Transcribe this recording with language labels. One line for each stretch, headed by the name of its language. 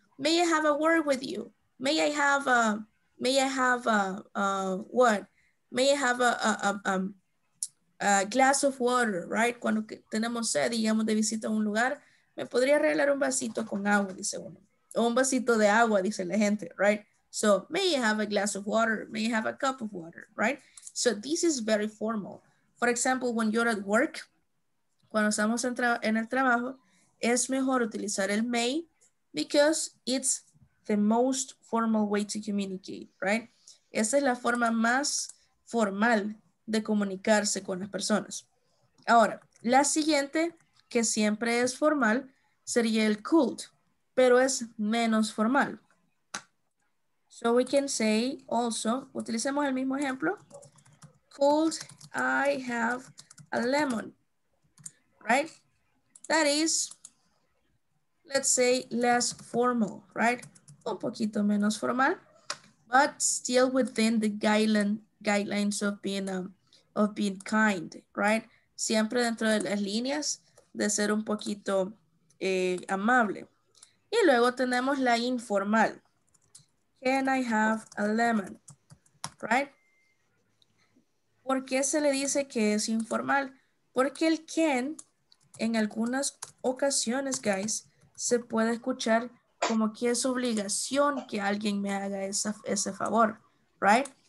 English: May I have a word with you? May I have a, May I have a glass of water, right?
Spanish: Cuando tenemos sed, digamos, de visita a un lugar, me podría regalar un vasito con agua, dice uno. O un vasito de agua, dice la gente, right?
English: So, may you have a glass of water, may you have a cup of water, right? So, this is very formal. For example, when you're at work, cuando estamos en el trabajo, es mejor utilizar el may because it's the most formal way to communicate, right?
Spanish: Esa es la forma más formal de comunicarse con las personas. Ahora, la siguiente, que siempre es formal, sería el could, pero es menos formal.
English: So we can say also, utilicemos el mismo ejemplo. Could I have a lemon, right? That is, let's say, less formal, right? Un poquito menos formal, but still within the guidelines of being kind, right?
Spanish: Siempre dentro de las líneas de ser un poquito amable. Y luego tenemos la informal. Can I have a lemon? Right? ¿Por qué se le dice que es informal? Porque el can, en algunas ocasiones, guys, se puede escuchar como que es obligación que alguien me haga ese favor. Right?